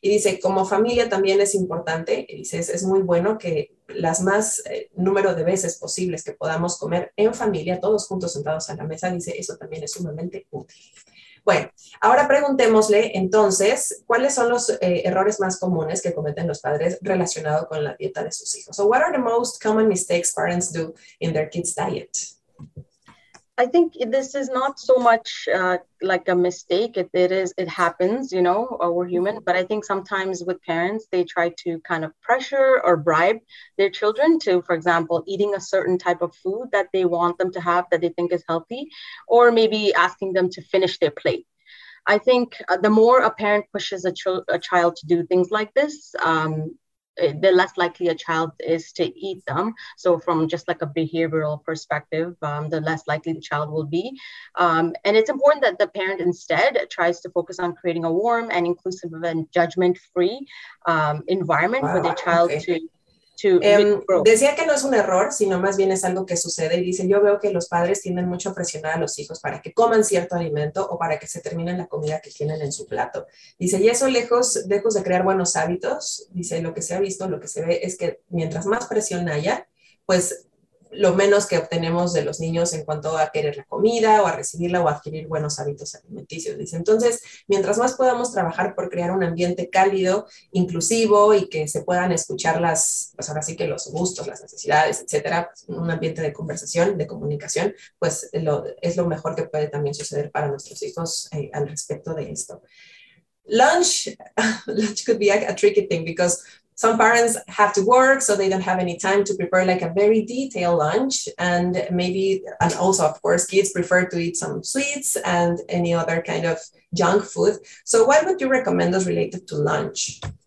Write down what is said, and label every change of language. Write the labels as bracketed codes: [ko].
[es] Y dice, como familia también es importante, dice, es muy bueno que las más número de veces posibles que podamos comer en familia, todos juntos sentados a la mesa, dice, eso también es sumamente útil. Bueno, ahora preguntémosle entonces, ¿cuáles son los errores más comunes que cometen los padres relacionado con la dieta de sus hijos? [en] So, what are the most common mistakes parents do in their kids' diet? I think this is not so much like a mistake. It happens, we're human. But I think sometimes with parents, they try to kind of pressure or bribe their children to, for example, eating a certain type of food that they want them to have that they think is healthy, or maybe asking them to finish their plate. I think the more a parent pushes a child to do things like this, the less likely a child is to eat them. So from just like a behavioral perspective, the less likely the child will be. And it's important that the parent instead tries to focus on creating a warm and inclusive and judgment-free environment for their Wow, child okay. to to grow. [es] Decía que no es un error, sino más bien es algo que sucede. Y dice, yo veo que los padres tienden mucho a presionar a los hijos para que coman cierto alimento o para que se termine la comida que tienen en su plato. Dice, y eso lejos de crear buenos hábitos, dice, lo que se ha visto, lo que se ve es que mientras más presión haya, pues lo menos que obtenemos de los niños en cuanto a querer la comida o a recibirla o a adquirir buenos hábitos alimenticios. Dice, entonces, mientras más podamos trabajar por crear un ambiente cálido, inclusivo y que se puedan escuchar las, pues ahora sí que los gustos, las necesidades, etcétera, un ambiente de conversación, de comunicación, pues es lo mejor que puede también suceder para nuestros hijos al respecto de esto. [en] Lunch could be a tricky thing because some parents have to work, so they don't have any time to prepare like a very detailed lunch. And maybe, and also, of course, kids prefer to eat some sweets and any other kind of junk food. So what would you recommend as related to lunch?